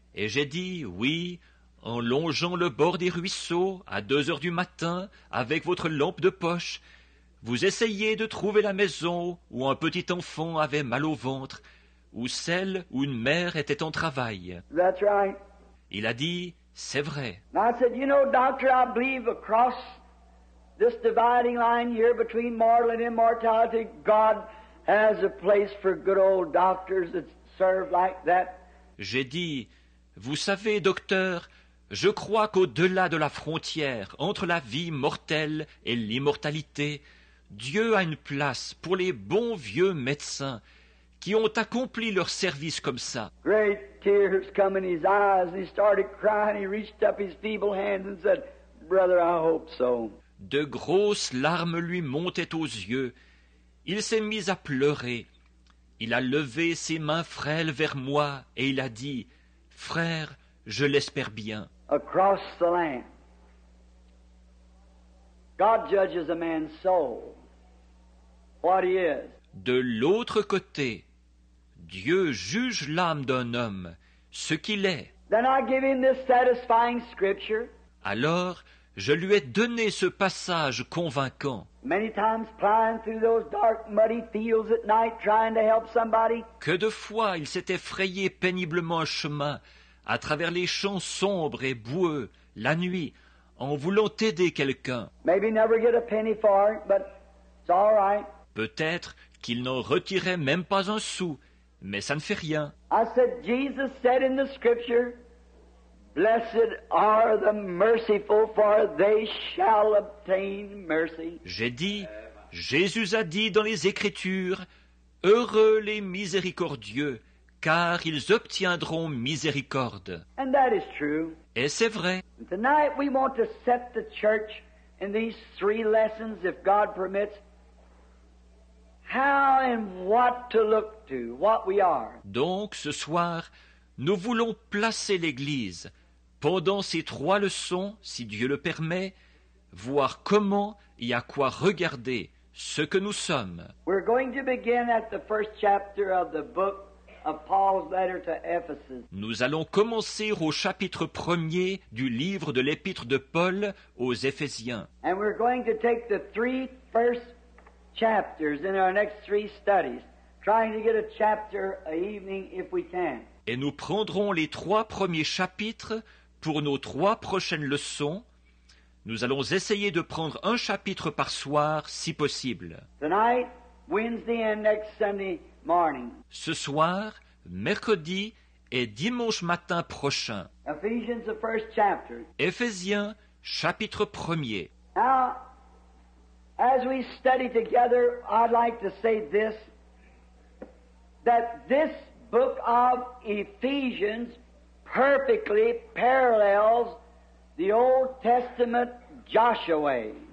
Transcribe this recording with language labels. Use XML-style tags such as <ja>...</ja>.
<fr>Et j'ai dit, oui, en longeant le bord des ruisseaux, à 2 heures du matin, avec votre lampe de poche, vous essayez de trouver la maison où un petit enfant avait mal au ventre, ou celle où une mère était en travail.</fr> <en>That's right.</en> <fr>Il a dit, c'est vrai.</fr> <en>I said, you know, doctor, I believe across this dividing line here between mortal and immortality, God has a place for good old doctors that serve like that.</en> <fr>J'ai dit, vous savez, docteur, je crois qu'au-delà de la frontière entre la vie mortelle et l'immortalité, Dieu a une place pour les bons vieux médecins qui ont accompli leur service comme ça.</fr> <en>Great tears come in his eyes. He started crying. He reached up his feeble hands and said, brother, I hope so.</en> <fr>De grosses larmes lui montaient aux yeux. Il s'est mis à pleurer. Il a levé ses mains frêles vers moi et il a dit, frère, je l'espère bien.</fr> <en>Across the land, God judges a man's soul, what he is.</en> <fr>De l'autre côté, Dieu juge l'âme d'un homme, ce qu'il est.</fr> <en>Then I give him this satisfying scripture.</en> <fr>Alors, je lui ai donné ce passage convaincant.</fr> <en>Many times plying through those dark, muddy fields at night, trying to help somebody.</en> <fr>Que de fois il s'était frayé péniblement un chemin à travers les champs sombres et boueux, la nuit, en voulant aider quelqu'un.</fr> <en>Maybe never get a penny for it, but it's all right.</en> <fr>Peut-être qu'il n'en retirait même pas un sou, mais ça ne fait rien.</fr> <en>I said, Jesus said in the scripture, blessed are the merciful, for they shall obtain mercy.</en> <fr>J'ai dit, Jésus a dit dans les Écritures, heureux les miséricordieux, car ils obtiendront miséricorde.</fr> <en>And that is true.</en> <fr>Et c'est vrai.</fr> <en>Tonight we want to set the church in these three lessons, if God permits, how and what to look to, what we are.</en> <fr>Donc ce soir, nous voulons placer l'Église pendant ces trois leçons, si Dieu le permet, voir comment et à quoi regarder ce que nous sommes.</fr> <en>We're going to begin at the first chapter of the book of Paul's letter to Ephesus.</en> <fr>Nous allons commencer au chapitre premier du livre de l'épître de Paul aux Éphésiens.</fr> <en>And we're going to take the three first chapters in our next three studies, trying to get a chapter a evening if we can.</en> <fr>Et nous prendrons les trois premiers chapitres pour nos trois prochaines leçons. Nous allons essayer de prendre un chapitre par soir si possible.</fr> <en>Tonight, Wednesday and next Sunday morning.</en> <fr>Ce soir, mercredi et dimanche matin prochain.</fr> <en>Ephesians, the first chapter.</en> <fr>Éphésiens, chapitre premier.</fr> <en>Now, As we study together, I'd like to say this, that this book of Ephesians perfectly parallels the Old Testament Joshua.</en>